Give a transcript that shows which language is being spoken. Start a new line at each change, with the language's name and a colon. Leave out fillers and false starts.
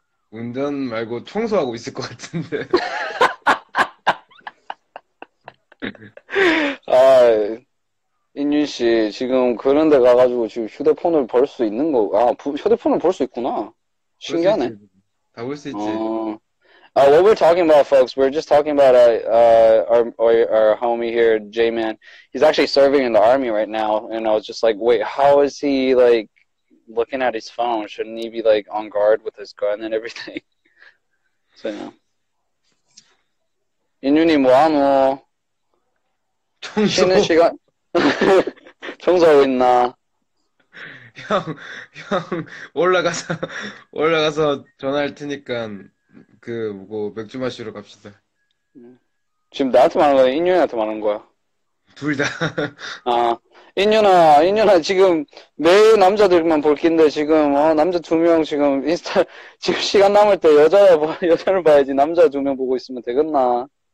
Korean: 운전 말고 청소하고 있을 것 같은데. 아. 인윤 씨 지금 그런 데 가가지고 지금 휴대폰을 볼 수 있는 거 아 휴대폰을 볼 수 있구나 신기하네 다 볼 수 있지
English: what we're talking about folks we're just talking about our homie here J-Man he's actually serving in the army right now and I was just like wait how is he like looking at his phone shouldn't he be like on guard with his gun and everything so yeah
Korean: 인윤이 뭐하노 쉬는 시간 청소하고 있나? 형 올라가서 전화할 테니까 그 뭐 맥주 마시러 갑시다. 지금 나한테 말하는 거야? 인윤이한테 말하는 거야? 둘 다. 아 인윤아 지금 매일 남자들만 볼 긴데 지금 남자 두 명 지금 인스타 지금 시간 남을 때 여자를 봐야지 남자 두 명 보고 있으면 되겠나?